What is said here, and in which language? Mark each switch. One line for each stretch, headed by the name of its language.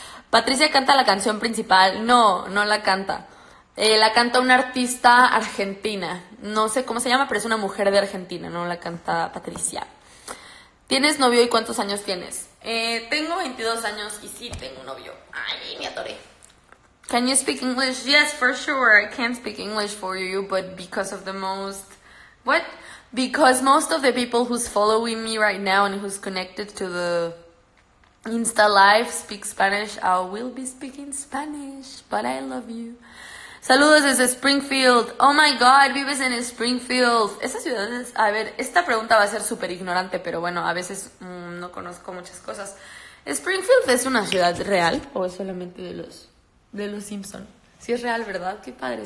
Spanish: Patricia canta la canción principal, no, no la canta. La canta una artista argentina, no sé cómo se llama, pero es una mujer de Argentina, no la canta Patricia. ¿Tienes novio y cuántos años tienes? Tengo 22 años y sí tengo novio. Ay, me atoré.
English: Can you speak English? Yes, for sure. I can't speak English for you, but because of the most... What? Because most of the people who's following me right now and who's connected to the Insta Live speak Spanish. I will be speaking Spanish, but I love you.
Spanish: Saludos desde Springfield. Oh my God, vives en Springfield. Esa ciudad es. A ver, esta pregunta va a ser súper ignorante, pero bueno, a veces no conozco muchas cosas. ¿Springfield es una ciudad real o es solamente de los Simpson? Si es real, ¿verdad? Qué padre.